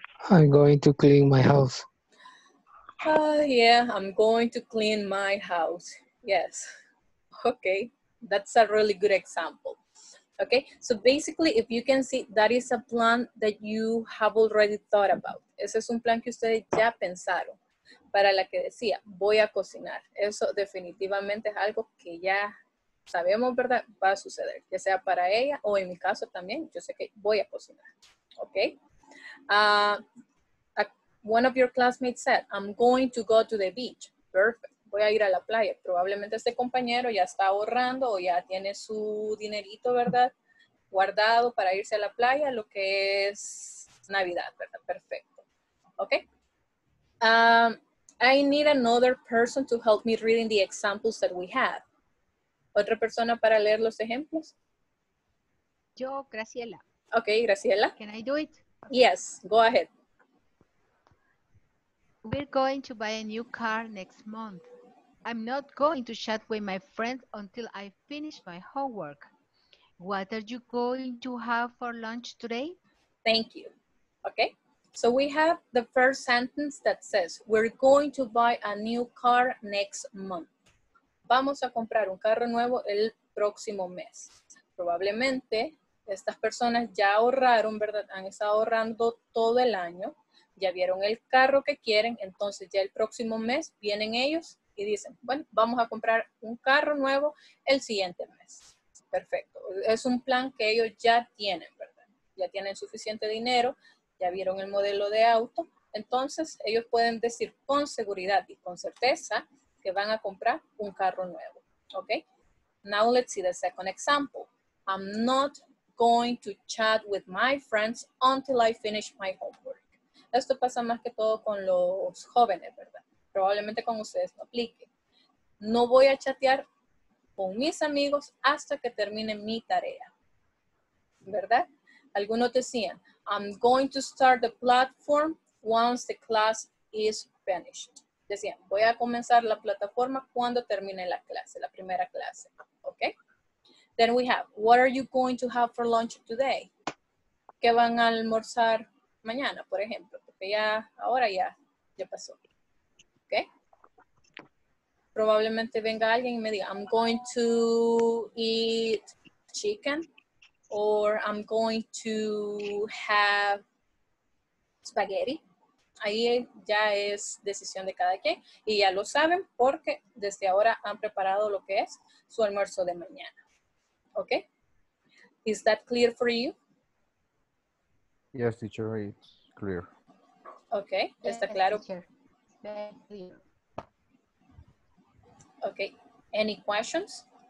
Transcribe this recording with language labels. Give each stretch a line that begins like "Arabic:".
English: I'm going to clean my house. Yeah, I'm going to clean my house. Yes. Okay, that's a really good example. Okay, so basically, if you can see, that is a plan that you have already thought about.
Spanish: Ese es un plan que ustedes ya pensaron. Para la que decía, voy a cocinar. Eso definitivamente es algo que ya sabemos, ¿verdad? Va a suceder. Ya sea para ella o en mi caso también, yo sé que voy a cocinar. Okay.
English: One of your classmates said, I'm going to go to the beach.
Spanish: Perfect. Voy a ir a la playa. Probablemente este compañero ya está ahorrando o ya tiene su dinerito, ¿verdad? Guardado para irse a la playa, lo que es Navidad, ¿verdad? Perfecto. Okay.
English: I need another person to help me reading the examples that we have.
Spanish: ¿Otra persona para leer los ejemplos? Yo, Graciela. Okay, Graciela.
English: Can I do it? Yes, go ahead. We're going to buy a new car next month. I'm not going to chat with my friend until I finish my homework. What are you going to have for lunch today? Thank you. Okay, so we have the first sentence that says, we're going to buy a new car next month.
Spanish: Vamos a comprar un carro nuevo el próximo mes. Probablemente estas personas ya ahorraron, ¿verdad? Han estado ahorrando todo el año, ya vieron el carro que quieren, entonces ya el próximo mes vienen ellos y dicen, bueno, vamos a comprar un carro nuevo el siguiente mes. Perfecto. Es un plan que ellos ya tienen, ¿verdad? Ya tienen suficiente dinero, ya vieron el modelo de auto, entonces ellos pueden decir con seguridad y con certeza que van a comprar un carro nuevo, ¿ok?
English: Now let's see the second example. I'm not going to chat with my friends until I finish my homework.
Spanish: Esto pasa más que todo con los jóvenes, ¿verdad? Probablemente con ustedes no aplique. No voy a chatear con mis amigos hasta que termine mi tarea, ¿verdad? Algunos decían,
English: I'm going to start the platform once the class is finished.
Spanish: Decían, voy a comenzar la plataforma cuando termine la clase, la primera clase, ¿ok?
English: Then we have, what are you going to have for lunch today?
Spanish: ¿Qué van a almorzar mañana, por ejemplo? Porque ya, ahora ya, ya pasó, ¿ok? Probablemente venga alguien y me diga,
English: I'm going to eat chicken, or I'm going to have spaghetti.
Spanish: Ahí ya es decisión de cada quien y ya lo saben porque desde ahora han preparado lo que es su almuerzo de mañana.
English: ¿Ok? Is that clear for you? Yes, teacher, it's clear. Ok,
Spanish: ¿está claro?
English: Yes, ok, any questions?